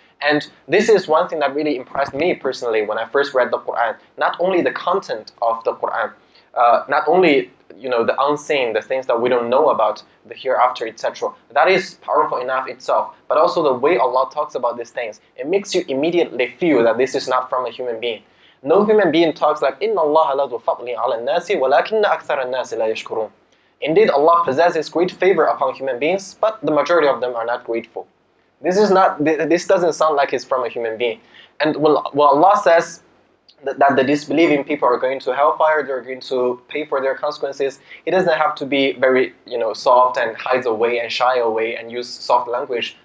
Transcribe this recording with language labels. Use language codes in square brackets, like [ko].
[en] And this is one thing that really impressed me personally when I first read the Quran. Not only the content of the Quran, not only you know, the unseen, the things that we don't know about, the hereafter, etc. That is powerful enough itself. But also the way Allah talks about these things, it makes you immediately feel that this is not from a human being. No human being talks like, [ar] إِنَّ اللَّهَ لَذُ فَضْلٍ عَلَى النَّاسِ وَلَكِنَّ أَكْثَرَ النَّاسِ لَا يَشْكُرُونَ. [en] Indeed, Allah possesses great favor upon human beings, but the majority of them are not grateful. This doesn't sound like it's from a human being. And when Allah says that the disbelieving people are going to hellfire, they're going to pay for their consequences, it doesn't have to be very, you know, soft and hide away and shy away and use soft language.